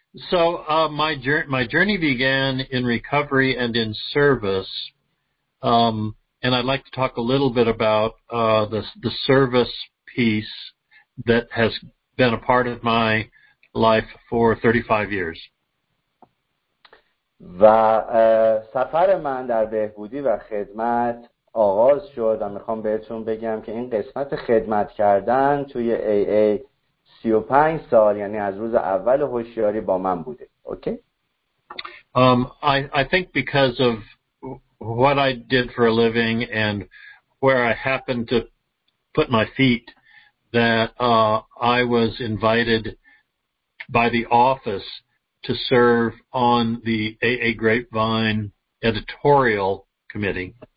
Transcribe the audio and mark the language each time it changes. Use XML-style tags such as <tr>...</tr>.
<en>So my journey began in recovery and in service. And I'd like to talk a little bit about the service piece that has been a part of my life for 35 years.</en> <fa>و سفر من در بهبودی و خدمت آغاز شد و میخوام بهتون بگم که این قسمت خدمت کردن توی AA 35 سال یعنی از روز اول هوشیاری با من بوده.</fa> <en>Okay? I think because of what I did for a living and where I happened to put my feet, that I was invited by the office to serve on the AA Grapevine editorial committee.</en>